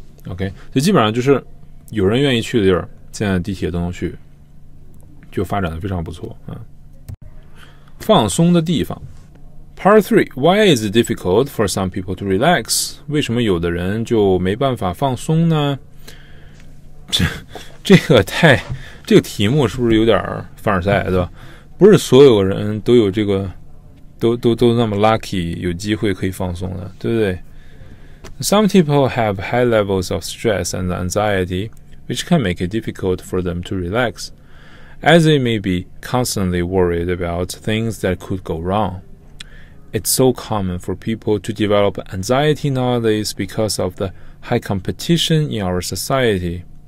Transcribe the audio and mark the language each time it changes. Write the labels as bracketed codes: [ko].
[zh] OK, 所以基本上就是有人愿意去的地儿，现在地铁都能去，就发展的非常不错、放松的地方。 [en] Part 3. Why is it difficult for some people to relax? [zh] 为什么有的人就没办法放松呢？这个题目是不是有点凡尔赛对吧？不是所有人都有这个都那么 lucky 有机会可以放松的，对不对？ [en] Some people have high levels of stress and anxiety, which can make it difficult for them to relax, as they may be constantly worried about things that could go wrong. It's so common for people to develop anxiety nowadays because of the high competition in our society.